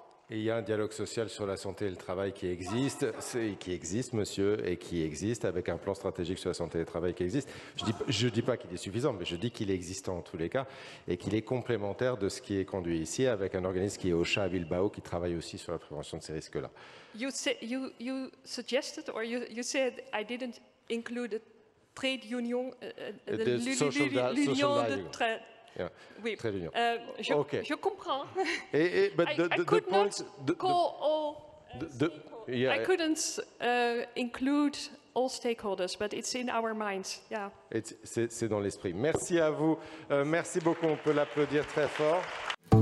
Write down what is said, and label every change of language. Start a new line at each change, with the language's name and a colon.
French: Il y a un dialogue social sur la santé et le travail qui existe, monsieur, et qui existe avec un plan stratégique sur la santé et le travail qui existe. Je dis pas qu'il est suffisant, mais je dis qu'il existe en tous les cas et qu'il est complémentaire de ce qui est conduit ici avec un organisme qui est OCHA à Bilbao qui travaille aussi sur la prévention de ces risques-là.
English: You suggested or you said I didn't include it. Trade union, Trade union.
French: Je comprends.
English: I couldn't include all stakeholders, but it's in our minds. Yeah.
French: C'est dans l'esprit. Merci à vous. Merci beaucoup. On peut l'applaudir très fort.